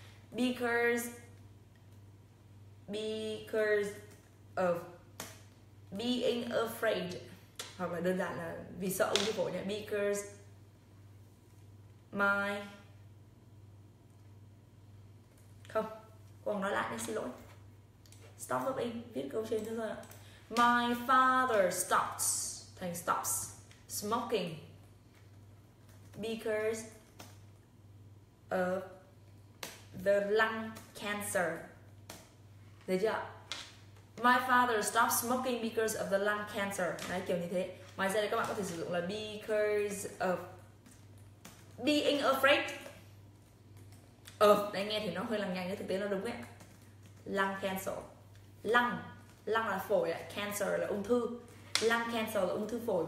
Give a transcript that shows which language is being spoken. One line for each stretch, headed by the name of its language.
English: Because of being afraid.
Vietnamese: Hoặc là đơn giản là vì sợ ung thư phổi nha.
English: Because my...
Vietnamese: Không, Quang nói lại nên xin lỗi. Stop up in, viết câu trên thôi ạ.
English: My father stops,
Vietnamese: thành
English: stops, smoking because of the lung cancer.
Vietnamese: Đấy chưa?
English: My father stops smoking because of the lung cancer.
Vietnamese: Đấy, kiểu như thế. Ngoài ra đây các bạn có thể sử dụng là
English: because of being afraid of.
Vietnamese: Đấy, nghe thì nó hơi lằng nhằng nhưng thực tế nó đúng ấy. Lung cancer. Lung, lung là phổi ạ, cancer là ung thư. Lung cancer là ung thư phổi.